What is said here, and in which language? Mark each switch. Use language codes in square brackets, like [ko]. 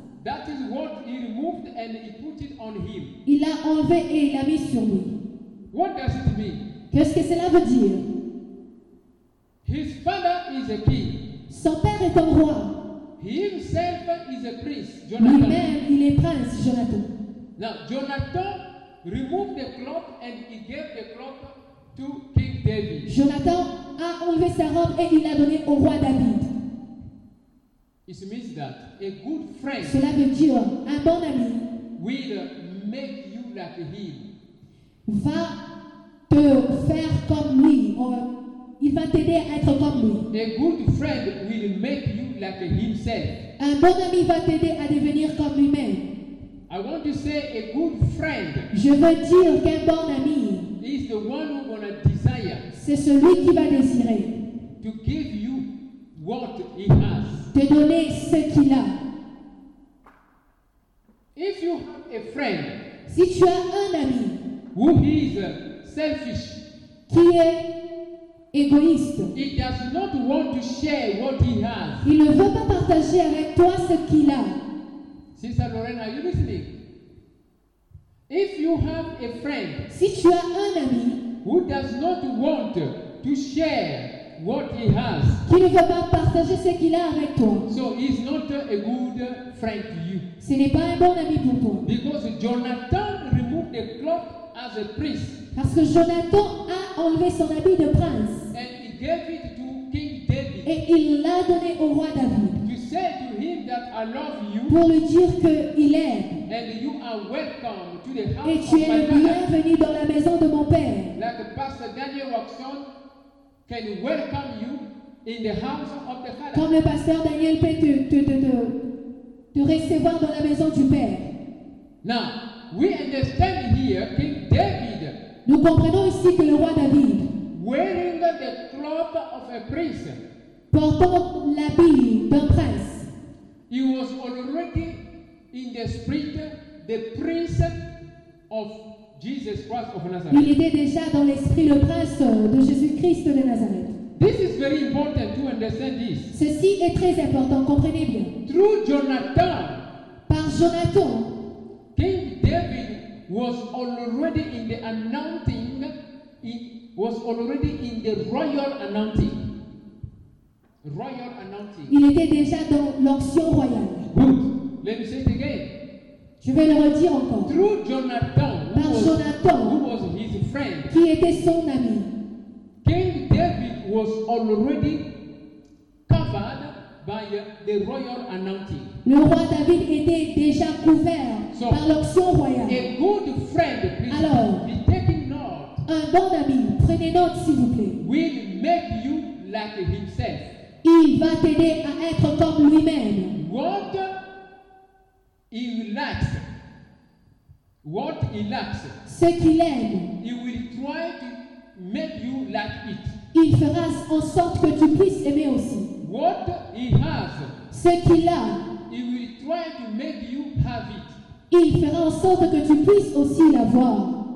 [en] that is what he removed and he put it on him. [fr] Il l'a enlevé et il l'a mis sur lui. [en] What does it mean? [fr] Qu'est-ce que cela veut dire? [en] His father is a king. [fr] Son père est un roi. [en] He himself is a priest, Jonathan. [fr] Lui-même, il est prince, Jonathan. [en] Now, Jonathan removed the cloak and he gave the cloak to King David. [fr] Jonathan a enlevé sa robe et il l'a donné au roi David. [en] It means that a good friend, [fr] cela veut dire un bon ami, [en] will make you like him. [fr] Va te faire comme lui. Il va t'aider à être comme lui. [en] A good friend will make you like himself. [fr] Un bon ami va t'aider à devenir comme lui-même. [en] I want to say a good friend, [fr] je veux dire qu'un bon ami, [en] is the one who gonna desire, [fr] c'est celui qui va désirer, [en] to give you what he has, [fr] te donner ce qu'il a. [en] If you have a friend, [fr] si tu as un ami, [en] who is selfish, [fr] qui est égoïste, [en] he does not want to share what he has, [fr] il ne veut pas partager avec toi ce qu'il a. [en] Sister Lorraine, are you listening? If you have a friend, [fr] si tu as un ami, [en] who does not want to share what he has, [fr] qui ne veut pas partager ce qu'il a avec toi, [en] so he's not a good friend to you. [fr] Ce n'est pas un bon ami pour toi. [en] Because Jonathan removed the cloak as a priest. [fr] Parce que Jonathan a enlevé son habit de prince. [en] And he gave it to King David. [fr] Et il l'a donné au roi David. [en] To say to him that I love you. [fr] Pour lui dire qu'il aime. [en] And you are welcome to the house. [fr] Et tu es le bienvenu dans la maison de mon père. [en] Like Pastor Daniel Roxon can welcome you in the house of the father. [fr] Comme le pasteur Daniel peut te recevoir dans la maison du Père. [en] Now, we understand here King David. [fr] Nous comprenons ici que le roi David, [en] wearing the cloth of a priest, [fr] portant l'habit d'un prince, [en] he was already in the spirit the prince of Jesus Christ of Nazareth. [fr] Il était déjà dans l'esprit le prince de Jésus-Christ de Nazareth. [en] This is very important to understand this. [fr] Ceci est très important, comprenez bien. [en] Through Jonathan, [fr] par Jonathan, [en] King David was already in the anointing. He was already in the royal anointing. Royal anointing. [fr] Il était déjà dans l'onction royale. [en] Good. Let me say it again. [fr] Je vais le redire encore. [en] Through Jonathan, [fr] par Jonathan, [en] who was his friend, [fr] qui était son ami, [en] King David was already covered by the royal anointing. [fr] Le roi David était déjà couvert so, par l'onction royale. [en] A good friend, please. [fr] Alors, [en] be taking note. [fr] Un bon ami, prenez note s'il vous plaît. [en] Will make you like himself. [fr] Il va t'aider à être comme lui-même. [en] What he lacks. What he lacks. [fr] Ce qu'il aime. [en] He will try to make you like it. [fr] Il fera en sorte que tu puisses aimer aussi. [en] What he has. [fr] Ce qu'il a. [en] He will try to make you have it. [fr] Il fera en sorte que tu puisses aussi l'avoir.